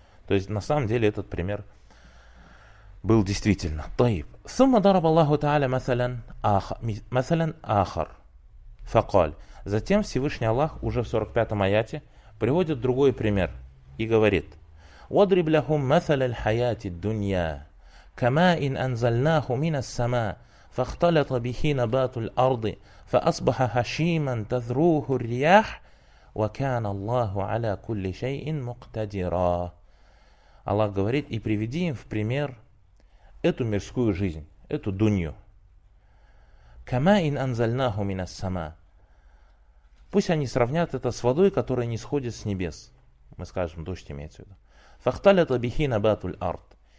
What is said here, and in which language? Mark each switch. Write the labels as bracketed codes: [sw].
[ru] То есть на самом деле этот пример был действительно. [ar] طيب. ثم ضرب الله تعالى مثلا آخر. فقال. [ru] Затем Всевышний Аллах уже в 45-м аяте приводит другой пример и говорит: [ar] وضرب لهم مثل الحياة الدنيا. كما إن أنزلناه من السماء فاختلط به نبات الأرض فأصبح هشيما تذروه الرياح وكان الله على كل شيء مقتدرا. [ru] Аллах говорит, и приведи им в пример эту мирскую жизнь, эту дунью. [ar] Кама ин анзальнаху мина сама. [ru] Пусть они сравнят это с водой, которая не сходит с небес. Мы скажем, дождь имеется в виду. [ar] Фахталята бихи набатуль арт.